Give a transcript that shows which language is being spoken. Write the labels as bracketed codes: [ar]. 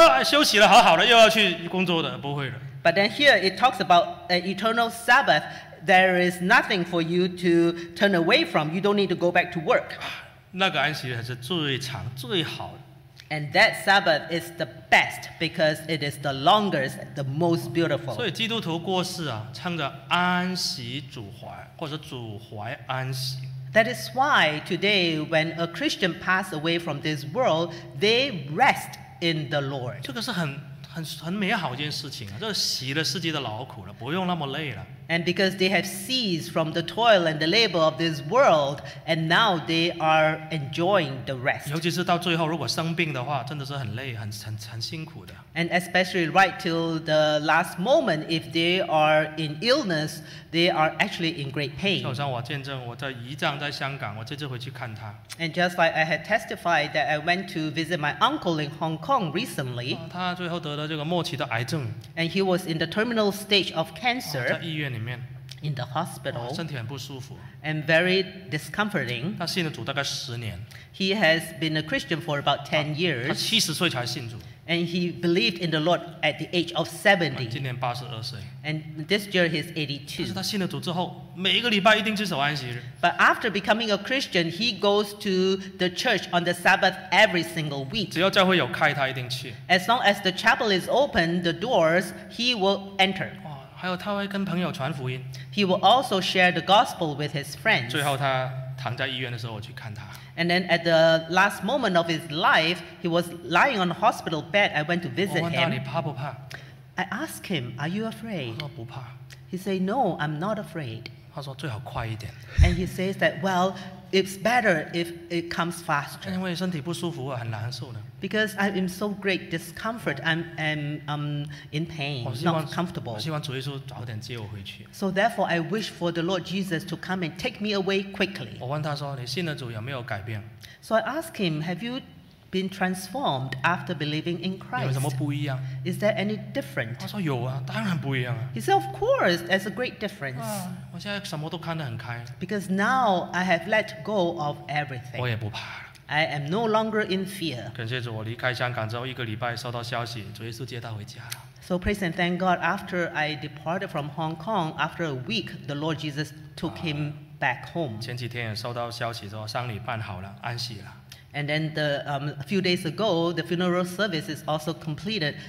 [zh] 但是呢，以后还有一个不会停止的，不会说啊休息了好好的又要去工作的，不会的。 [en] But then here it talks about an eternal Sabbath. There is nothing for you to turn away from. You don't need to go back to work. [zh] 那个安息日是最长最好的。 [en] And that Sabbath is the best because it is the longest, the most beautiful. [zh] 所以基督徒过世啊，称着安息主怀，或者主怀安息。 [en] That is why today, when a Christian passed away from this world, they rest in the Lord. [zh] 这个是很美好一件事情啊，这洗了世界的劳苦了，不用那么累了。 [en] And because they have ceased from the toil and the labor of this world, and now they are enjoying the rest. [zh] 尤其是到最后，如果生病的话，真的是很累，很辛苦的。 [en] And especially right till the last moment, if they are in illness, they are actually in great pain. [zh] 就像我见证，我的姨丈在香港，我这次回去看他。 [en] And just like I had testified that I went to visit my uncle in Hong Kong recently. [zh] 他最后得了这个末期的癌症。 [en] And he was in the terminal stage of cancer. [zh] 在医院里面。 [en] In the hospital. [zh] 身体很不舒服。 [en] And very discomforting. [zh] 他信了主大概10年。 [en] He has been a Christian for about 10 years. [zh] 他70岁才信主。 [en] And he believed in the Lord at the age of 70. [zh] 今年82岁。 [en] And this year he is 82. [zh] 但是他信了主之后，每一个礼拜一定遵守安息日。 [en] But after becoming a Christian, he goes to the church on the Sabbath every single week. [zh] 只要教会有开，他一定去。 [en] As long as the chapel is open, the doors, he will enter. [zh] 哇，还有他会跟朋友传福音。 [en] He will also share the gospel with his friends. [zh] 最后他躺在医院的时候，我去看他。 [en] And then at the last moment of his life, he was lying on a hospital bed. I went to visit him. [zh] 我问他你怕不怕? [en] I asked him, are you afraid? [zh] 他说不怕。 [en] He said, no, I'm not afraid. [zh] 他说最好快一点。 [en] And he says that, well, it's better if it comes faster. [zh] 因为身体不舒服，很难受的。 [en] Because I'm in so great discomfort, I'm in pain, not comfortable. [zh] 我希望主耶稣早点接我回去。 [en] So therefore, I wish for the Lord Jesus to come and take me away quickly. [zh] 我问他说，你信了主有没有改变？ [en] So I asked him, have you been transformed after believing in Christ? [zh] 有什么不一样？ [en] Is there any different? [zh] 他说有啊，当然不一样啊。 [en] He said, of course, there's a great difference. [zh] 我现在什么都看得很开。 [en] Because now I have let go of everything. [zh] 我也不怕了。 [en] I am no longer in fear. [zh] 感谢主，我离开香港之后一个礼拜收到消息，主耶稣接他回家了。 [en] So praise and thank God. After I departed from Hong Kong, after a week, the Lord Jesus took him back home. [zh] 前几天也收到消息说，丧礼办好了，安息了。 [en] And then the a few days ago, the funeral service is also completed.